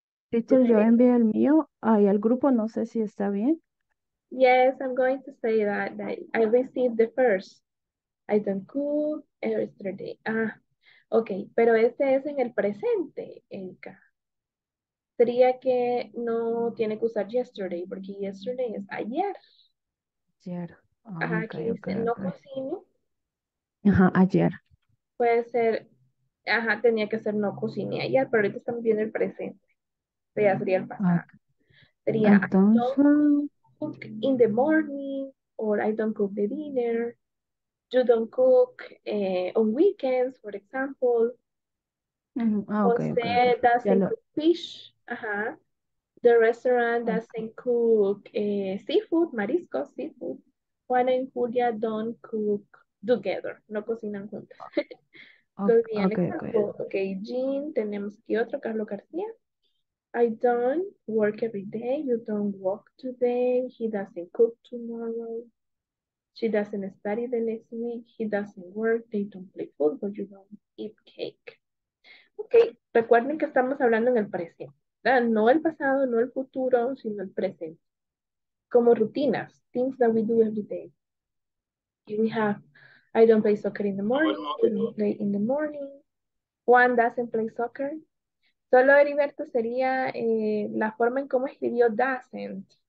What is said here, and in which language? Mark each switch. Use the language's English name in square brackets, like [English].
[Spanish] Teacher, yo envié el mío ahí al grupo, no sé si está bien. [English] Yes, I'm going to say that I received the first. I don't cook yesterday. [Spanish] Ah, okay, pero este es en el presente, Enka. Sería que no tiene que usar yesterday, porque yesterday es ayer. Ayer. Ajá, okay, aquí dice no cocino. Ajá, ayer. Puede ser, ajá, tenía que ser no cocine ayer, pero ahorita está viendo el presente. Sería el pasado. Sería, entonces, [English] I don't cook in the morning, or I don't cook the dinner, you don't cook on weekends, for example. Okay, José doesn't cook fish. Ajá. The restaurant doesn't cook seafood, marisco, seafood. Juan and Julia don't cook together. [Spanish] No cocinan juntos. Okay, [English] Jean, [Spanish] tenemos aquí otro, [English] Carlos García. I don't work every day. You don't walk today. He doesn't cook tomorrow. She doesn't study the next week. He doesn't work. They don't play football. You don't eat cake. Okay. [Spanish] Recuerden que estamos hablando en el presente. No el pasado, no el futuro, sino el presente. como rutinas, [English] things that we do every day. We have, I don't play soccer in the morning, play in the morning. Juan doesn't play soccer. [Spanish] Solo Heriberto sería la forma en cómo escribió doesn't.